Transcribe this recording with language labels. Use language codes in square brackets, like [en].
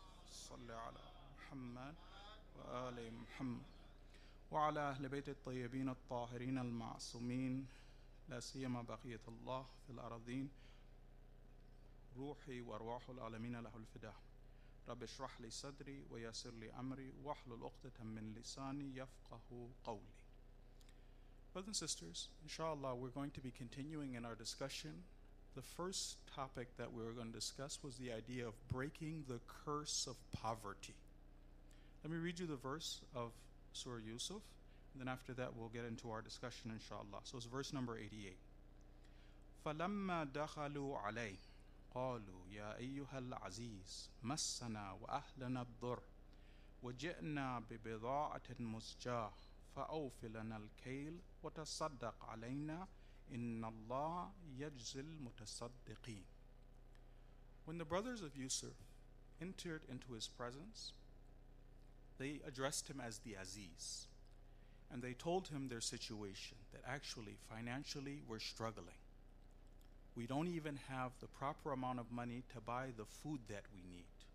[ar] صل على محمد وآل محمد وعلى أهل بيت الطيبين الطاهرين المعصومين لا سيما بقية الله في الأرضين روحي وارواح العالمين له الفداء رب اشرح لي صدري ويسر لي امري واحلل عقدة من لساني يفقهوا قولي. [en] Brothers and sisters, inshallah we're going to be continuing in our discussion. The first topic that we were going to discuss was the idea of breaking the curse of poverty. Let me read you the verse of Surah Yusuf, and then after that we'll get into our discussion inshallah. So it's verse number 88. [ar] فَلَمَّا دَخَلُوا عَلَيْهِ قالوا يا أيها العزيز مسنا وأهلنا الضر وجئنا ببضاعة مزجاة فأوف لنا الكيل وتصدق علينا إن الله يجزي المتصدقين. [en] When the brothers of Yusuf entered into his presence, they addressed him as the Aziz, and they told him their situation, that actually financially we're struggling. We don't even have the proper amount of money to buy the food that we need.